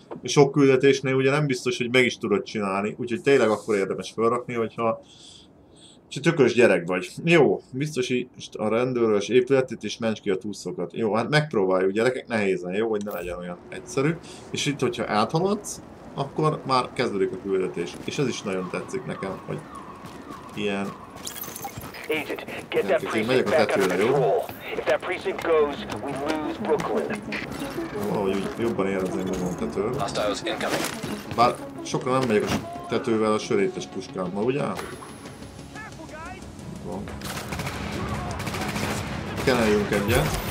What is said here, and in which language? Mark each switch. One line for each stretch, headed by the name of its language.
Hungarian: Sok küldetésnél ugye nem biztos, hogy meg is tudod csinálni, úgyhogy tényleg akkor érdemes felrakni, hogyha csak tökös gyerek vagy. Jó, biztosítsd a rendőrös épületét és ments ki a túszokat. Jó, hát megpróbáljuk, gyerekek, nehézen, jó, hogy ne legyen olyan egyszerű. És itt, hogyha áthaladsz, akkor már kezdődik a küldetés. És ez is nagyon tetszik nekem, hogy ilyen...
English: Agent, get that precinct back under control. If that precinct goes, we lose Brooklyn.
Hungarian: Valahogy jobban érzem magam a tetőn. Bár sokan nem megyek a tetővel a sörétes puskámmal, ugye? Van. Keneljünk egyet.